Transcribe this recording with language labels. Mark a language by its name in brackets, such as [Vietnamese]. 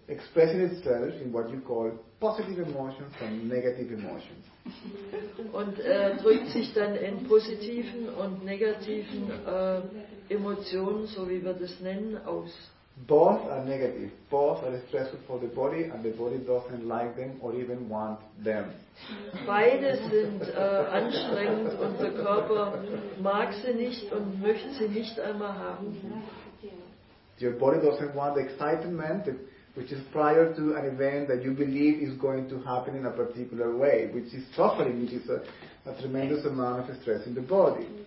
[English] Expressing itself in what you call positive emotions and negative emotions. [German] Und drückt sich dann in positiven und negativen Emotionen, so wie wir das nennen, aus. [English] Both are negative. Both are stressful for the body, and the body doesn't like them or even want them. [German] Beide sind anstrengend, und der Körper mag sie nicht und möchte sie nicht einmal haben. [English] Your body doesn't want the excitement, which is prior to an event that you believe is going to happen in a particular way, which is suffering, which is a tremendous amount of stress in the body.